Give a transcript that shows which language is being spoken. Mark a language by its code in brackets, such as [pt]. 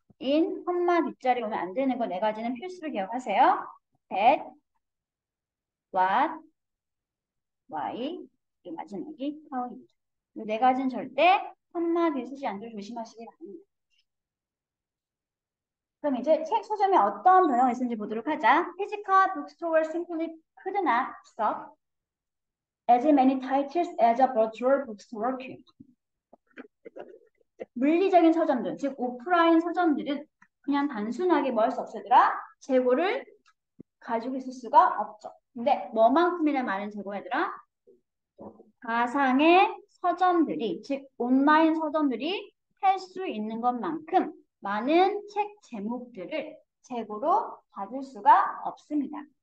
[ko] 인, 콤마, 뒷자리 오면 안 되는 거네 가지는 필수로 기억하세요. [en] That, what, why, [ko] 마지막이 [en] how. [ko] 이네 가지는 절대 콤마 뒤에 쓰지 않도록 조심하시기 바랍니다. 그럼 이제 책 서점에 어떤 변형이 있는지 보도록 하자. [en] Physical bookstores simply could not stock as many titles as a virtual bookstore could. [ko] 물리적인 서점들, 즉 오프라인 서점들은 그냥 단순하게 뭐할수 없으더라. 재고를 가지고 있을 수가 없죠. 근데 뭐만큼이나 많은 재고에더라. 가상의 서점들이, 즉 온라인 서점들이 할수 있는 것만큼 많은 책 제목들을 재고로 받을 수가 없습니다.